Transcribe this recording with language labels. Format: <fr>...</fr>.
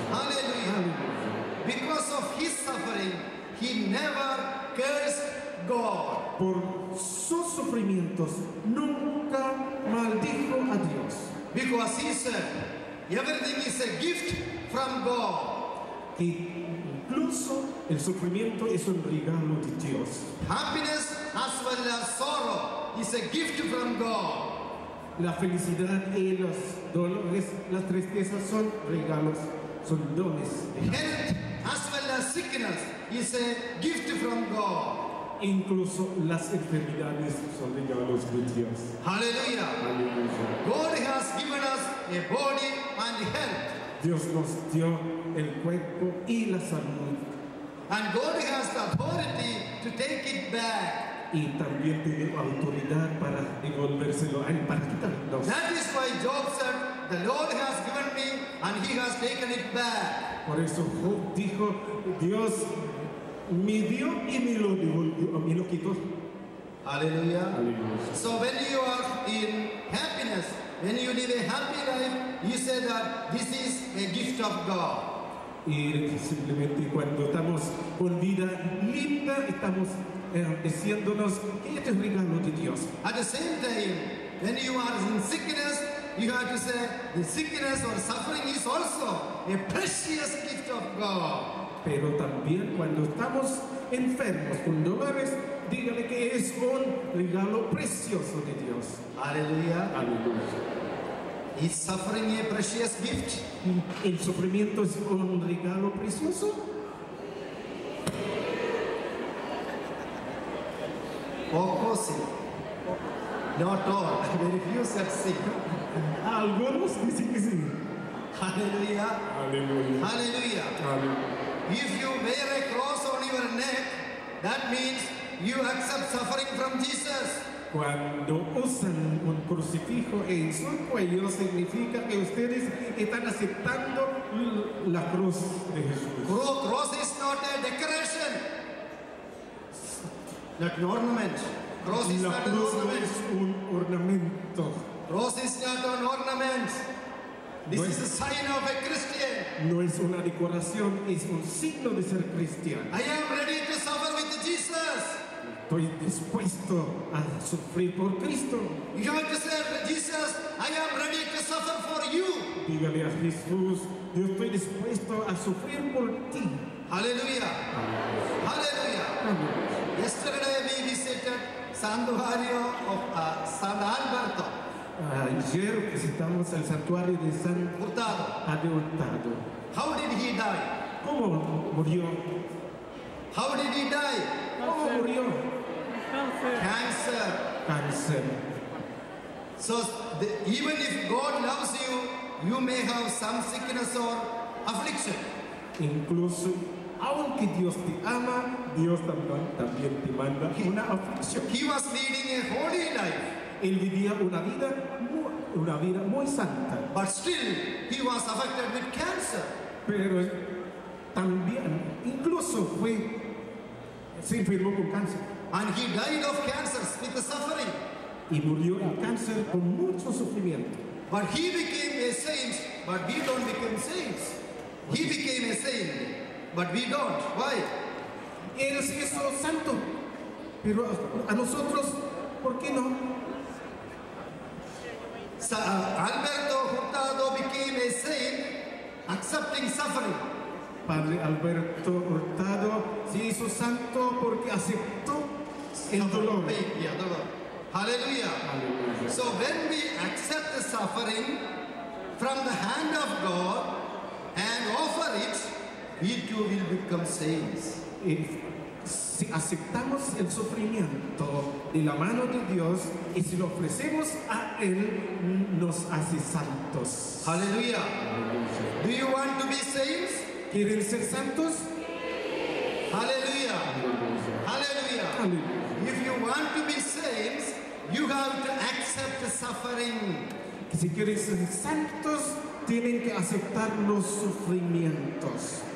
<en>Hallelujah. Hallelujah. Because of his suffering, he never cursed God.</en> <es>Por sus sufrimientos, nunca maldijo a Dios.</es> <en>Because he said, everything is a gift from God.</en> <es>Y incluso el sufrimiento es un regalo de Dios.</es> <en>Happiness as well as sorrow is a gift from God.</en> <es>La felicidad y los dolores, las tristezas son regalos, son dones.</es> <en>Health as well as sickness is a gift from God.</en> <es>Incluso las enfermedades son regalos de Dios.</es> <en>Hallelujah. Hallelujah. God has given us a body and health.</en> <es>Dios nos dio el cuerpo y la salud.</es> <en>And God has the authority to take it back.</en> <es>Y también tiene autoridad para devolvérselo a él, para quitarlo.</es> <en>That is why Job said, "The Lord has given me and he has taken it back."</en> <es>Por eso Job dijo, Dios me dio y me lo devolvió, me lo quitó. Aleluya. Aleluya.</es> <en>So when you are in happiness, when you live a happy life, you say that this is a gift of God.</en> <es>Y simplemente cuando estamos con vida linda, estamos diciéndonos que este es un regalo de Dios.</es> <en>At the same time, when you are in sickness, you have to say the sickness or suffering is also a precious gift of God.</en> <es>Pero también cuando estamos enfermos, con dolores, dígale que es un regalo precioso de Dios. Aleluya. Aleluya.</es> <en>Is suffering a precious gift?</en> <es>¿El sufrimiento es un regalo precioso? Poco sí.</es> <en>Not all. Very few said sí.</en> <es>Algunos dicen que sí. Aleluya. Aleluya. Aleluya.</es> <en>If you wear a cross on your neck, that means you accept suffering from Jesus.</en> <es>Cuando usan un crucifijo en su cuello, significa que ustedes están aceptando la cruz de Jesús.</es> <en>Cross is not a decoration. Not an ornament. Cross is</en> <es>la</es> <en>not</en> <es>cruz</es> <en>an ornament.</en> <es>No es un ornamento.</es> <en>Cross is not an ornament. This is a sign of a Christian.</en> <es>No es una decoración, es un signo de ser cristiano.</es> <en>I am ready to suffer with Jesus.</en> <es>Estoy dispuesto a sufrir por Cristo.</es> <en>You have to say, "Jesus, I am ready to suffer for you."</en> <es>Dígale a Jesús, yo estoy dispuesto a sufrir por ti.</es> <en>Hallelujah. Hallelujah. Yesterday we visited Santuario of San Alberto.</en> <es>Ayer visitamos el santuario de San Hurtado. Adeurtado.</es> <en>How did he die?</en> <es>¿Cómo murió?</es> <en>How did he die?</en> <es>¿Cómo murió?</es> <en>Cancer. Cancer. So even if God loves you, you may have some sickness or affliction.</en> <es>Incluso aunque Dios te ama, Dios también te manda una aflicción.</es> <en>He was leading a holy life.</en> <es>Él vivía una vida muy santa.</es> <en>But still, he was affected with cancer.</en> <es>Pero también, incluso fue, se enfermó con cáncer.</es> <en>And he died of cancer with the suffering.</en> <es>Y murió en cáncer con mucho sufrimiento.</es> <en>But he became a saint, but we don't become saints. He became a saint, but we don't. Why?</en> <es>Él se hizo santo, pero a nosotros, ¿por qué no?</es> <en>So, Alberto Hurtado became a saint, accepting suffering.</en> <es>Padre Alberto Hurtado se hizo santo porque aceptó el dolor.</es> <en>Hallelujah. So when we accept the suffering from the hand of God and offer it, we too will become saints. Si aceptamos el sufrimiento de la mano de Dios y si lo ofrecemos a Él, nos hace santos. Hallelujah. Do you want to be saints?</en> <es>¿Quieren ser santos?</es> <en>Hallelujah. Hallelujah. Hallelujah. If you want to be saints, you have to accept the suffering.</en> <es>Si quieren ser santos, tienen que aceptar los sufrimientos.</es>